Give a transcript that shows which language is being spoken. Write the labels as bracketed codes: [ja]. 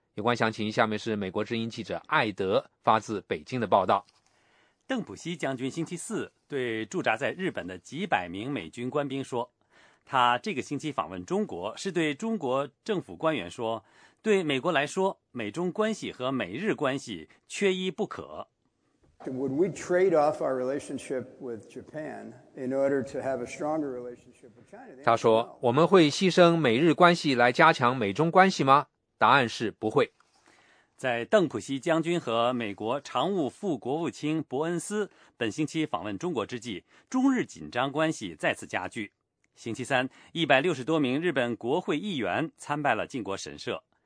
[zh] 有关详情下面是美国之音记者艾德发自北京的报道。邓普西将军星期四对驻扎在日本的几百名美军官兵说，他这个星期访问中国是对中国政府官员说，对美国来说，美中关系和美日关系缺一不可。 [en] Would we trade off our relationship with Japan in order to have a stronger relationship with China? [zh] 他说，我们会牺牲美日关系来加强美中关系吗？答案是不会。在邓普西将军和美国常务副国务卿伯恩斯本星期访问中国之际，中日紧张关系再次加剧。星期三，160多名日本国会议员参拜了靖国神社。